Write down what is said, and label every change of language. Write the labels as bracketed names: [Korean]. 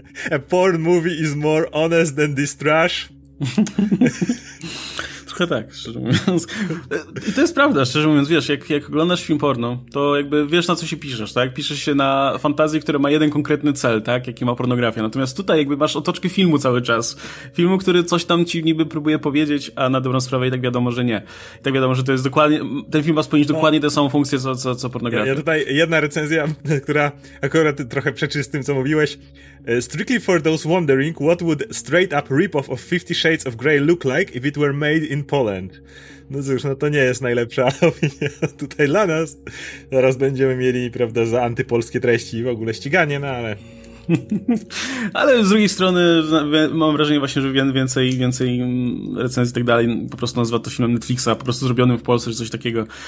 [English] A porn movie is more honest than this trash. [Polish] Trochę tak, szczerze mówiąc. I to jest prawda, szczerze mówiąc, wiesz, jak oglądasz film porno, to jakby wiesz, na co się piszesz, tak? Piszesz się na fantazję, która ma jeden konkretny cel, tak? Jaki ma pornografia. Natomiast tutaj jakby masz otoczkę filmu cały czas. Filmu, który coś tam ci niby próbuje powiedzieć, a na dobrą sprawę i tak wiadomo, że nie. I tak wiadomo, że to jest dokładnie, ten film ma spełnić dokładnie tę samą funkcję, co pornografia. Ja tutaj jedna recenzja, która akurat trochę przeczy z tym, co mówiłeś. [English] Strictly for those wondering, what would straight up rip-off of 50 Shades of Grey look like if it were made in Poland? [Polish] No cóż, no to nie jest najlepsza opinia tutaj dla nas. Zaraz będziemy mieli, prawda, za antypolskie treści w ogóle ściganie, no ale... Ale z drugiej strony mam wrażenie właśnie, że więcej recenzji i tak dalej po prostu nazywa to filmem Netflixa, po prostu zrobionym w Polsce czy coś takiego.